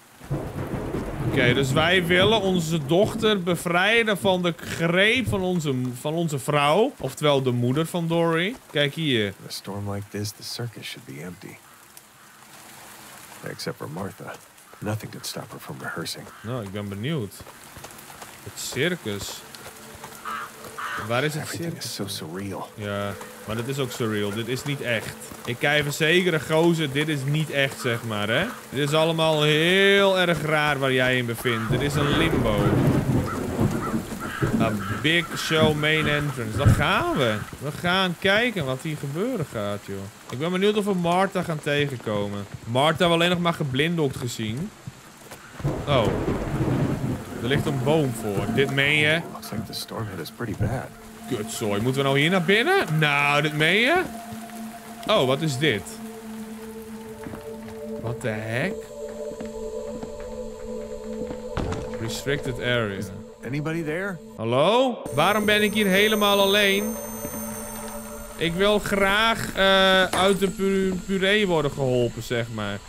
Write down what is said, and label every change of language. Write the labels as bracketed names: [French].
[Dutch] Oké, okay, dus wij willen onze dochter bevrijden van de greep van onze vrouw. Oftewel de moeder van Dory. Kijk hier. [English] In a storm like this, the circus should be empty. Except for Martha. Nothing could stop her from rehearsing. [Dutch] Nou, ik ben benieuwd. Het circus. Waar is het [English] circus? Everything is so surreal. [Dutch] Ja, maar dit is ook surreal. Dit is niet echt. Ik kan je verzekeren, gozer, dit is niet echt, zeg maar, hè. Dit is allemaal heel erg raar waar jij in bevindt. Dit is een limbo. [English] A big show main entrance. [Dutch] Daar gaan we. We gaan kijken wat hier gebeuren gaat, joh. Ik ben benieuwd of we Martha gaan tegenkomen. Martha hebben we alleen nog maar geblinddoekt gezien. Oh. Er ligt een boom voor. Dit meen je? [English] Looks like the storm hit is pretty bad. [Dutch] Kutzooi. Moeten we nou hier naar binnen? Nou, dit meen je? Oh, wat is dit? [English] What the heck? Restricted area. Is anybody there? [Dutch] Hallo? Waarom ben ik hier helemaal alleen? Ik wil graag uit de puree worden geholpen, zeg maar.